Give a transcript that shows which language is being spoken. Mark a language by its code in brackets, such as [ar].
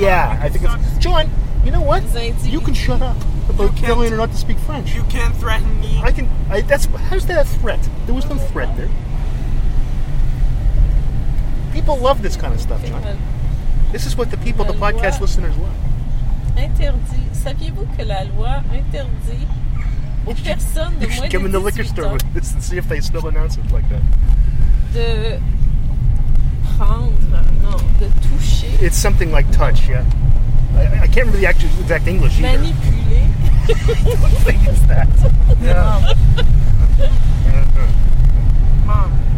[en] Yeah, I think it's... John, you know what? You can shut up about killing or not to speak French. You can't threaten me. I can... How's that a threat? There was no threat there. People love this kind of stuff, John. This is what the people, the podcast listeners love. [fr] Interdit. Saviez-vous que la loi interdit aux personnes de moins de 18 ans? [en] Give them the liquor store with this and see if they still announce it like that. [fr] De prendre, [en] no, [fr] de toucher. [en] It's something like touch, yeah. I can't remember the actual exact English either. [fr] Manipuler. [en] I don't think it's that. Yeah. Mom.